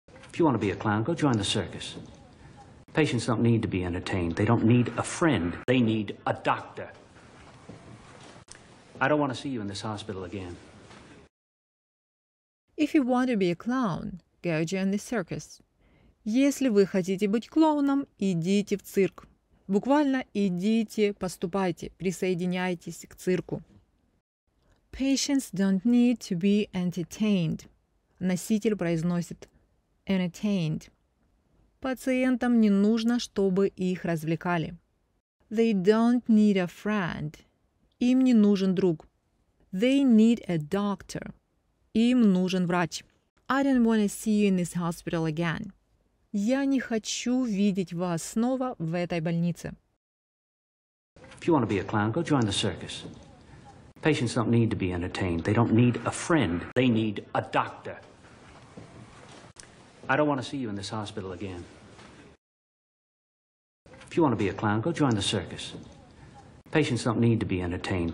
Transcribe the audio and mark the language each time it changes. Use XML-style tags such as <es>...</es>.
<en>If you want to be a clown, go join the circus. Patients don't need to be entertained. They don't need a friend. They need a doctor. I don't want to see you in this hospital again. If you want to be a clown, go join the circus.</en> <ru>Если вы хотите быть клоуном, идите в цирк. Буквально идите, поступайте, присоединяйтесь к цирку.</ru> <en>Patients don't need to be entertained.</en> <ru>Носитель произносит</ru> <en>entertained.</en> <ru>Пациентам не нужно, чтобы их развлекали.</ru> <en>They don't need a friend.</en> <ru>Им не нужен друг.</ru> <en>They need a doctor.</en> <ru>Им нужен врач.</ru> <en>I don't want to see you in this hospital again.</en> <ru>Я не хочу видеть вас снова в этой больнице.</ru> <en>If you want to be a clown, go join the circus. Patients don't need to be entertained. They don't need a friend. They need a doctor. I don't want to see you in this hospital again. If you want to be a clown, go join the circus. Patients don't need to be entertained.</en>